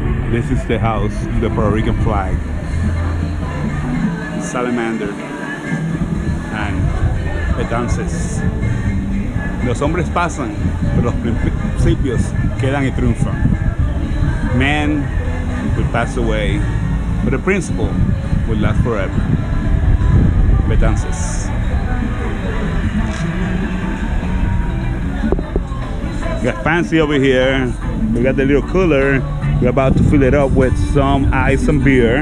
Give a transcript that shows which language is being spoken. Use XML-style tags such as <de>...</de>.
<en>This is the house, the Puerto Rican flag, salamander, and petances.</en> <es>Los hombres pasan, pero los principios quedan y triunfan.</es> <en>Men will pass away, but the principle will last forever. Petances. We got fancy over here, we got the little cooler. We're about to fill it up with some ice and beer.</en>